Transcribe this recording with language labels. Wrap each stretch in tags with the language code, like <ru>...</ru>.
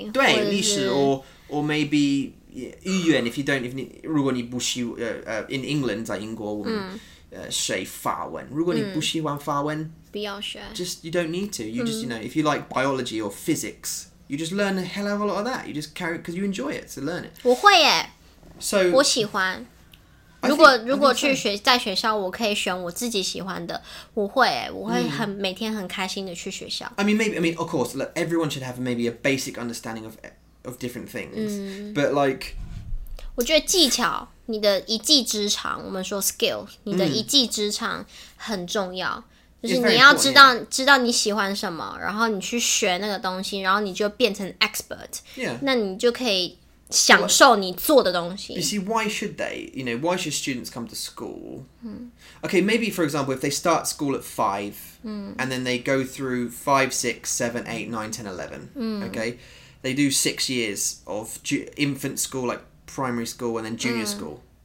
<zh>对历史</zh> <en>or maybe...</en> <zh>语言</zh> <en>if you don't, if</en> <zh>你如果你不喜</zh> <en>in England,</en> <zh>在英国我们学法文如果你不喜欢法文不要学</zh> <en>just, you don't need to, you just, you know, if you like biology or physics, you just learn a hell of a lot of that, you just carry, because you enjoy it, so learn it.</en> <zh>我会耶</zh> <en>so,</en> <zh>我喜欢 如果去学在学校我可以选我自己喜欢的我会耶我会很每天很开心的去学校</zh> <en>I mean, of course, look, everyone should have maybe a basic understanding of different things, but like,</en> <zh>我觉得技巧，你的一技之长，我们说 skill， 你的一技之长很重要，就是你要知道 知道你喜欢什么，然后你去学那个东西，然后你就变成 expert，</zh> <en>yeah，</en> <zh>那你就可以享受你做的东西。</zh> <en>You see, why should they? You know, why should students come to school? Okay, maybe for example, if they start school at 5, and then they go through 5, 6, 7, 8, 9, 10, 11. Okay, they do 6 years of infant school, like primary school, and then junior school.</en>